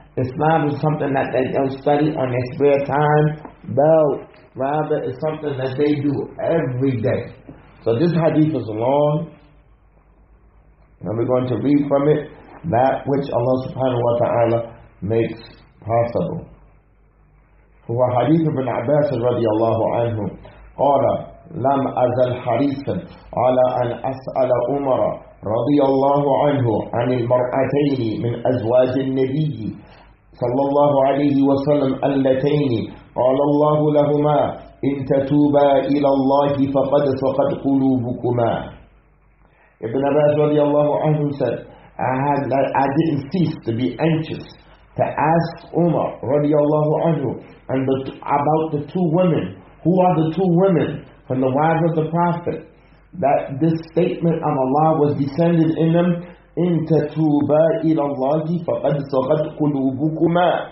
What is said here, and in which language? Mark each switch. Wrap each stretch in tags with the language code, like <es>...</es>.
<en>Islam is something that they don't study on their spare time, but rather it's something that they do every day. So this hadith is long, and we're going to read from it that which Allah subhanahu wa ta'ala makes possible.</en> <ar>هو حديث ابن عباس رضي الله عنه قال لم أزل حريصا على أن أسأل عمر رضي الله عنه عن المرأتين من أزواج النبي صلى الله عليه وسلم اللتين قال الله لهما إن تتوبا إلى الله فقد سقط قلوبكما.</ar> <en>ابن عباس رضي الله عنه said, I didn't cease to be anxious to ask Umar radiallahu anhu about the two women. Who are the two women from the wives of the Prophet? That this statement of Allah was descended in them, in tatuba ila Allahi faqad saqat qulubukuma.</en>